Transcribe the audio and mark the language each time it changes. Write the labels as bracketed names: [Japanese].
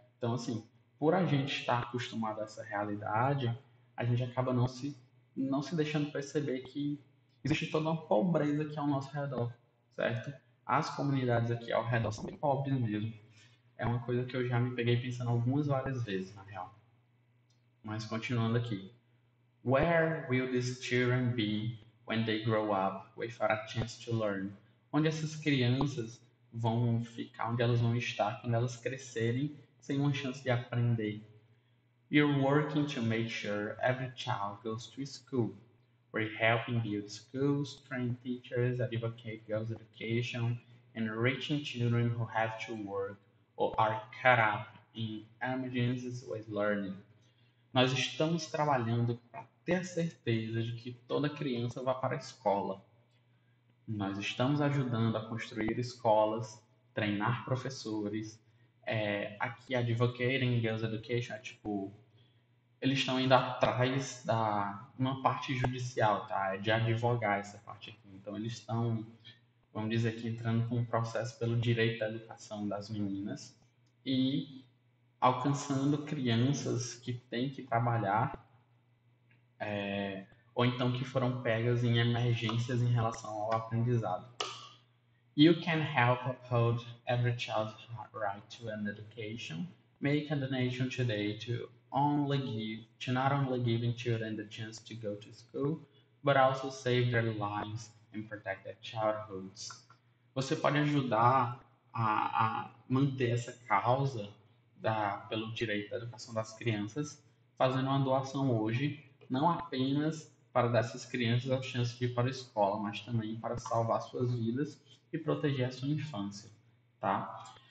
[Portuguese] Então, assim, por a gente estar acostumado a essa realidade, a gente acaba não se deixando perceber que existe toda uma pobreza aqui ao nosso redor, certo? As comunidades aqui ao redor são bem pobres mesmo. É uma coisa que eu já me peguei pensando algumas várias vezes, na real. Mas continuando aqui. [English] Where will these children be when they grow up without a chance to learn? [Portuguese] Onde essas crianças vão ficar, onde elas vão estar quando elas crescerem sem uma chance de aprender? [English] You're working to make sure every child goes to school. We're helping build schools, train teachers, advocate girls' education, and reaching children who have to work or are caught up in emergencies with learning. [Portuguese] Nós estamos trabalhando para ter a certeza de que toda criança vá para a escola. Nós estamos ajudando a construir escolas, treinar professores. Aqui, [English] advocating girls' education [Portuguese] é tipo, eles estão indo atrás da uma parte judicial, tá? De advogar essa parte aqui. Então, eles estão, vamos dizer que, entrando com um processo pelo direito à educação das meninas e alcançando crianças que têm que trabalhar, ou então que foram pegas em emergências em relação ao aprendizado. [English] You can help uphold every child's right to an education. Make a donation today to not only giving children the chance to go to school, but also save their lives and protect their childhoods. [Portuguese] Você pode ajudar a manter essa causa pelo direito à educação das crianças, fazendo uma doação hoje, não apenas para dar essas crianças a chance de ir para a escola, mas também para salvar suas vidas e proteger a sua infância, tá?